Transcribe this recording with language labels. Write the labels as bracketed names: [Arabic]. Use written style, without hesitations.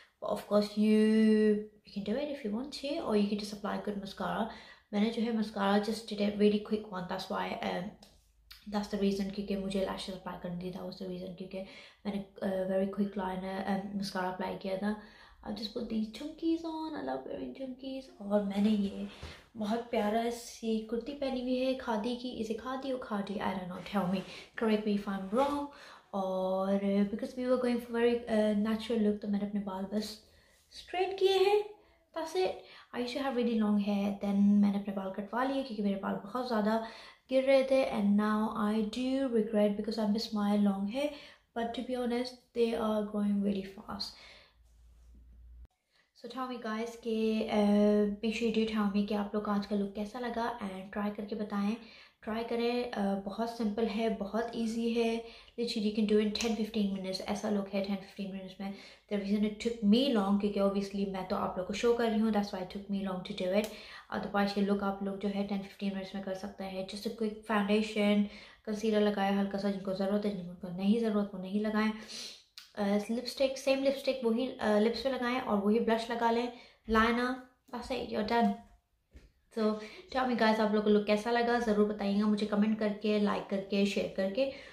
[English] But of course you can do it if you want to or you can just apply good mascara. [Hindi] मैंने जो है [English] mascara just did a really quick one. That's why that's the reason [Hindi] क्योंकि मुझे [English] lashes apply [Hindi] करनी थी. [English] That was the reason [Hindi] क्योंकि मैंने [English] very quick liner and mascara apply [Hindi] किया था. [English] I'll just put these chunkies on. I love wearing chunkies. [Hindi] और मैंने ये बहुत प्यारा सी कुर्ती पहनी हुई है खादी की. इसे खादी और khadi, [English] I don't know, tell me, correct me if I'm wrong. और because we were going for very natural look, [Hindi] तो मैंने अपने बाल बस [English] straight [Hindi] किए हैं. [English] That's it. I used to have really long hair, then [Hindi] मैंने अपने बाल कटवा लिए क्योंकि मेरे बाल बहुत ज़्यादा गिर रहे थे. [English] And now I do regret because I miss my long hair, but to be honest they are growing really fast. So tell me guys, make sure you do tell me [Hindi] कि आप लोग आज का [English] look [Hindi] कैसा लगा [English] and try [Hindi] करके बताएं. Try करें, बहुत simple है, बहुत easy है. [English] Literally you can do it in 10-15 minutes. [Hindi] ऐसा look है 10-15 minutes में. [English] The reason it took me long क्योंकि obviously [Hindi] मैं तो आप लोग को [English] show [Hindi] कर रही हूँ, [English] that's why it took me long to do it. [Hindi] Otherwise ये look आप लोग जो है 10-15 minutes में कर सकते हैं. [English] Just a quick foundation, concealer [Hindi] लगाएं हल्का सा जिनको ज़रूरत है, जिनको नहीं ज़रूरत वो नहीं लगाएं. लिपस्टिक, सेम लिपस्टिक वही लिप्स पे लगाएं और वही ब्लश लगा लें. लाइनर, बस है, [English] You are done. So tell me guys, [Hindi] आप लोगों को लुक कैसा लगा ज़रूर बताइएगा मुझे कमेंट करके, लाइक करके, शेयर करके.